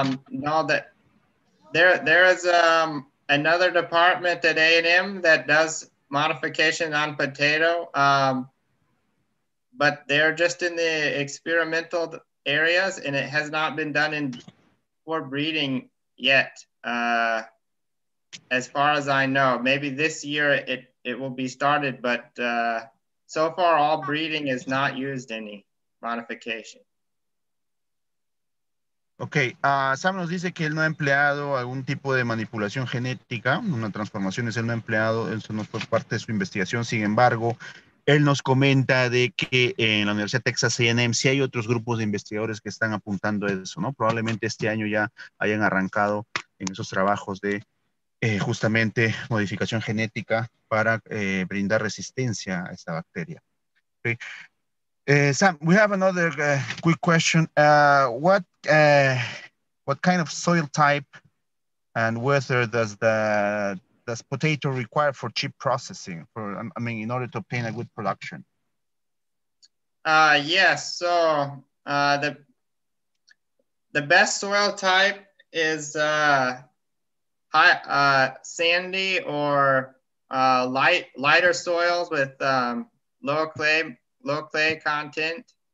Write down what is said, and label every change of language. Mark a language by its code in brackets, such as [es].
[en] No, there is another department at A&M that does modification on potato, but they're just in the experimental areas and it has not been done in for breeding yet, as far as I know. Maybe this year it will be started, but so far all breeding has not used any modification. [es] Okay, Sam nos dice que él no ha empleado algún tipo de manipulación genética, una transformación es él no ha empleado, eso no fue parte de su investigación, sin embargo, él nos comenta de que en la Universidad de Texas A&M sí hay otros grupos de investigadores que están apuntando eso, ¿no? Probablemente este año ya hayan arrancado en esos trabajos de justamente modificación genética para brindar resistencia a esta bacteria. [en] Okay. Sam, we have another quick question. What kind of soil type and weather does potato require for chip processing? In order to obtain a good production. Yes. So the best soil type is sandy or lighter soils with low clay content.